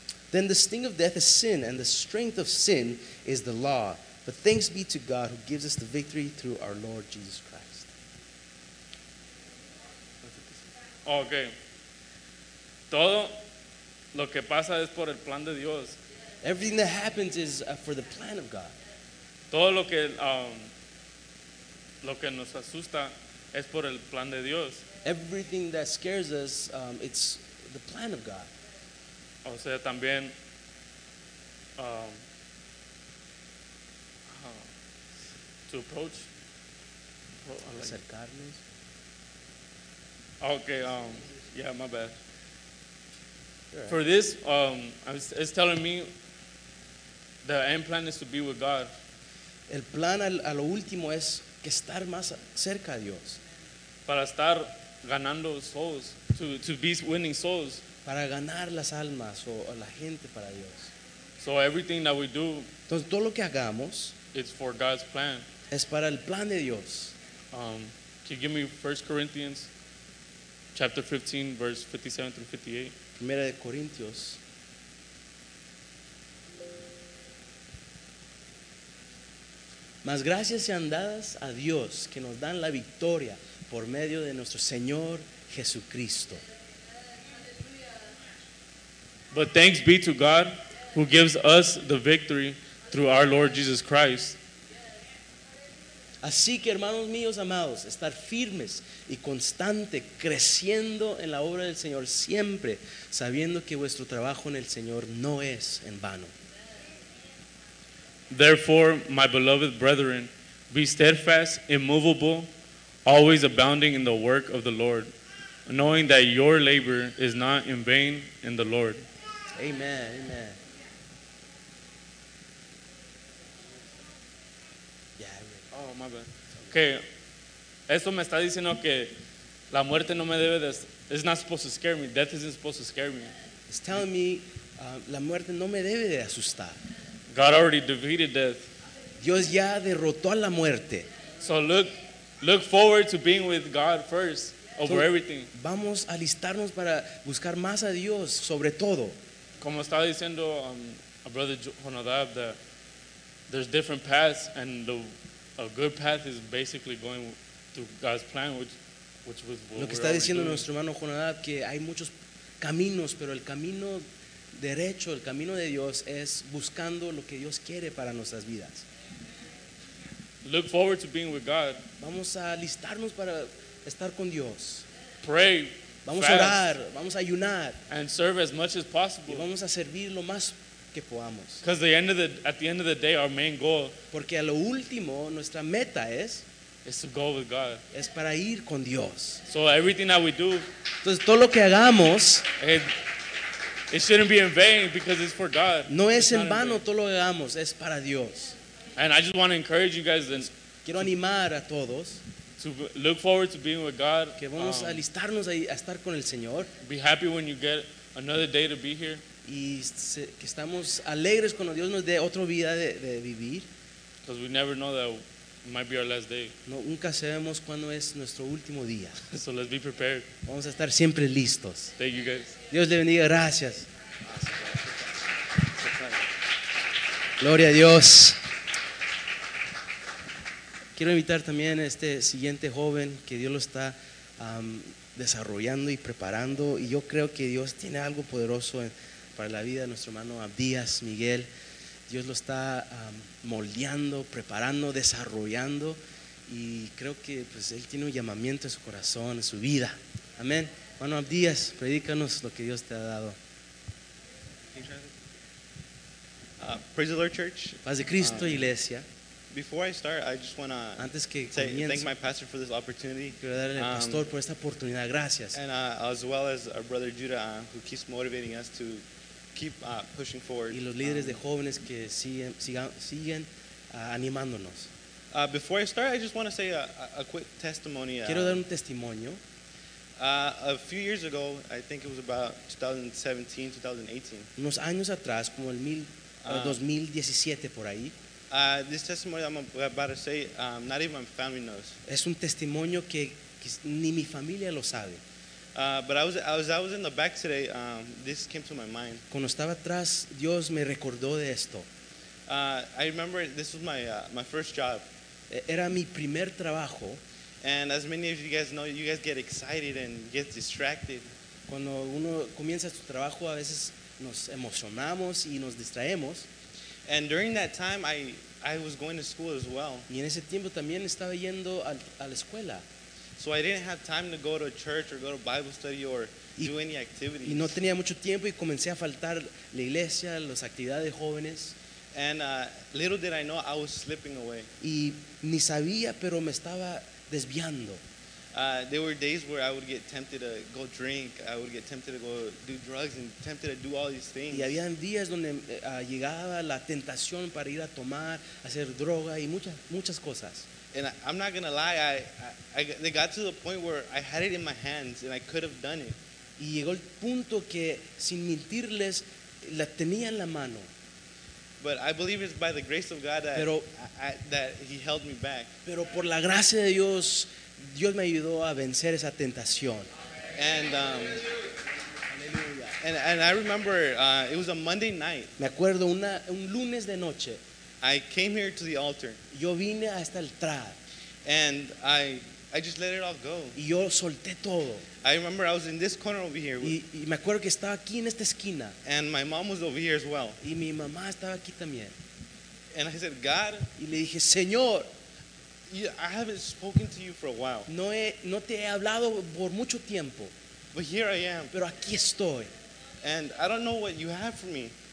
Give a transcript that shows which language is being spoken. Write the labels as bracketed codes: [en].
[en] Then the sting of death is sin, and the strength of sin is the law. But thanks be to God who gives us the victory through our Lord Jesus Christ. Okay. [es] Todo lo que pasa es por el plan de Dios. [en] Everything that happens is for the plan of God. [es] Todo lo que nos asusta es por el plan de Dios. [en] Everything that scares us, it's the plan of God. [es] O sea, también [en] to approach, [es] acercarnos. [en] Okay, yeah, my bad. Right. For this, it's telling me the end plan is to be with God. [es] El plan a lo último es que estar más cerca a Dios. Para estar ganando [en] souls, to be winning souls. [es] Para ganar las almas o la gente para Dios. [en] So everything that we do, [es] entonces todo lo que hagamos, [en] it's for God's plan. [es] Es para el plan de Dios. [en] Can you give me 1 Corinthians Chapter 15, verse 57 through 58. [es] Primera de Corintios. Mas gracias sean dadas a Dios que nos dan la victoria por medio de nuestro Señor Jesucristo. [en] But thanks be to God who gives us the victory through our Lord Jesus Christ. [es] Así que hermanos míos amados, estar firmes y constante, creciendo en la obra del Señor siempre, sabiendo que vuestro trabajo en el Señor no es en vano. [en] Therefore, my beloved brethren, be steadfast, immovable, always abounding in the work of the Lord, knowing that your labor is not in vain in the Lord. Amen, amen. Oh, my bad. Okay. [es] Esto me está diciendo que la muerte no me debe de... [en] It's not supposed to scare me. Death isn't supposed to scare me. It's telling me [es] la muerte no me debe de asustar. [en] God already defeated death. [es] Dios ya derrotó a la muerte. [en] So look forward to being with God first over everything. [es] Vamos a alistarnos para buscar más a Dios sobre todo. Como estaba diciendo a [en] brother Jonadab, that there's different paths and a good path is basically going through God's plan, which was what [es] lo que está diciendo nuestro hermano Jonadab, que hay muchos caminos, pero el camino derecho, el camino de Dios es buscando lo que Dios quiere para nuestras vidas. [en] Look forward to being with God. [es] Vamos a alistarnos para estar con Dios. [en] Pray. [es] Vamos a orar, vamos a ayunar. [en] And serve as much as possible. [es] Y vamos a servir lo más que podamos. [en] Because at the end of the day, our main goal. [es] Porque a lo último nuestra meta es. [en] Is to go with God. [es] Es para ir con Dios. [en] So everything that we do. [es] Entonces todo lo que hagamos. [en] It shouldn't be in vain because it's for God. [es] No es en vano todo lo que hagamos, es para Dios. [en] And I just want to encourage you guys. [es] Quiero animar a todos. [en] To look forward to being with God. [es] Que vamos a alistarnos ahí a estar con el Señor. [en] Be happy when you get another day to be here. [es] Y que estamos alegres cuando Dios nos dé otra vida de vivir. [en] Because we never know that it might be our last day. [es] No, nunca sabemos cuándo es nuestro último día. [en] So let's be prepared. [es] Vamos a estar siempre listos. [en] Thank you guys. [es] Dios le bendiga, gracias. Gloria a Dios. Quiero invitar también a este siguiente joven que Dios lo está desarrollando y preparando, y yo creo que Dios tiene algo poderoso para la vida de nuestro hermano Abdías Miguel. Dios lo está moldeando, preparando, desarrollando, y creo que pues él tiene un llamamiento en su corazón, en su vida. Amén. Hermano Abdías, predícanos lo que Dios te ha dado. [en] Praise the Lord, Church. [es] Paz de Cristo, Iglesia. [en] Before I start, I just want to say thank my pastor for this opportunity. [es] Quiero darle al pastor por esta oportunidad. Gracias. [en] And as well as our brother Judah, who keeps motivating us to keep pushing forward. [es] Y los líderes de jóvenes que siguen animándonos. [en] Before I start, I just want to say a quick testimony. [es] Quiero dar un testimonio. [en] A few years ago, I think it was about 2017, 2018. [es] Unos años atrás, como el 2017 por ahí. [en] This testimony I'm about to say, not even my family knows. [es] Es un testimonio que ni mi familia lo sabe. [en] But I was in the back today. This came to my mind. [es] Cuando estaba atrás, Dios me recordó de esto. [en] I remember this was my first job. [es] Era mi primer trabajo. [en] And as many of you guys know, you guys get excited and get distracted. [es] Cuando uno comienza su trabajo, a veces nos emocionamos y nos distraemos. [en] And during that time, I was going to school as well. [es] Y en ese tiempo también estaba yendo a la escuela. [en] So I didn't have time to go to church or go to Bible study or do any activities. [es] Y no tenía mucho tiempo y comencé a faltar la iglesia, las actividades de jóvenes. [en] And little did I know, I was slipping away. [es] Y ni sabía, pero me estaba desviando. [en] There were days where I would get tempted to go drink, I would get tempted to go do drugs and tempted to do all these things. [es] Y habían días donde llegaba la tentación para ir a tomar, hacer droga y muchas cosas. [en] And I'm not going to lie, they got to the point where I had it in my hands and I could have done it. [es] Y llegó el punto que sin mentirles la tenía en la mano. [en] But I believe it's by the grace of God that he held me back. [es] Pero por la gracia de Dios, Dios me ayudó a vencer esa tentación. [en] And I remember it was a Monday night. [es] Me acuerdo un lunes de noche. [en] I came here to the altar. [es] Yo vine hasta el altar. [en] And I just let it all go. [es] Y yo solté todo. [en] I remember I was in this corner over here. [es] Y me acuerdo que estaba aquí en esta esquina. [en] And my mom was over here as well. [es] Y mi mamá estaba aquí también. [en] And I said, God. [es] Y le dije, Señor. [en] I haven't spoken to you for a while. [es] No te he hablado por mucho tiempo. [en] But here I am. [es] Pero aquí estoy. [en] And I don't know what you have for me.